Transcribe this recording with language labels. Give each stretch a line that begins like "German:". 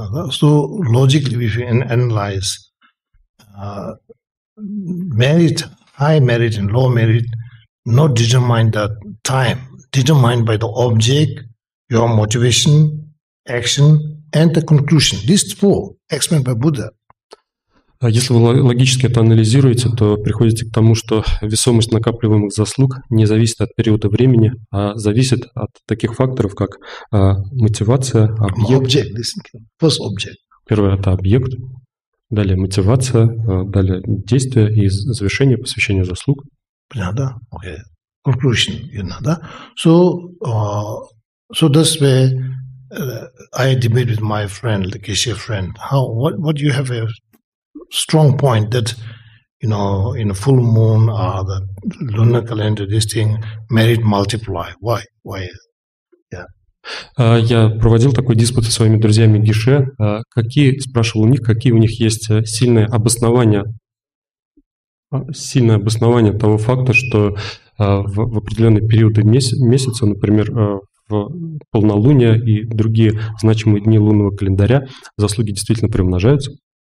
English: So logically, if you analyze merit, high merit and low merit, not determined by the time, determined by the object, your motivation, action and the conclusion. These four explained by Buddha.
Russian: Если вы логически это анализируете, то приходите к тому, что весомость накапливаемых заслуг не зависит от периода времени, а зависит от таких факторов, как мотивация, объект.
English: Object. First object.
Russian: Первое – это объект. Далее – мотивация. Далее – действие и завершение посвящения заслуг. Понятно?
English: Okay. Conclusion. You know,
Russian: да?
English: So, so that's where I debate with my friend, the Keshe friend. What you have a strong point that, you know, in a full moon or the lunar calendar, this thing merit multiply. Why?
Russian: Я проводил такой диспут со своими друзьями Гише. Какие, спрашивал у них, какие у них есть сильное обоснование того факта, что в определенные периоды месяца, например, в полнолуние и другие значимые дни лунного календаря заслуги действительно приумножаются.